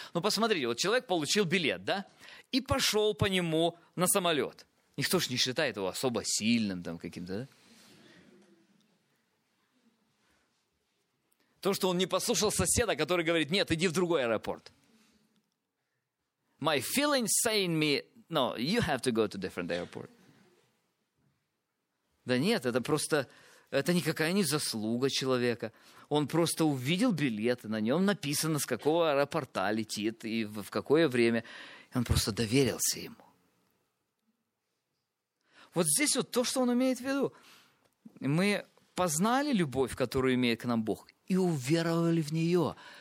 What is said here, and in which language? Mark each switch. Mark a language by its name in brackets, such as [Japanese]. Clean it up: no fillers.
[Russian] Ну, посмотрите, вот человек получил билет, да, и пошел по нему на самолет. Никто же не считает его особо сильным там каким-то, да? То, что он не послушал соседа, который говорит, нет, иди в другой аэропорт. [English] My feelings saying me, no, you have to go to different airport. [Russian] Да нет, это просто, это никакая не заслуга человека. Он просто увидел билет, на нем написано, с какого аэропорта летит и в какое время. Он просто доверился ему. Вот здесь вот то, что он имеет в виду. Мы познали любовь, которую имеет к нам Бог, и уверовали в нее.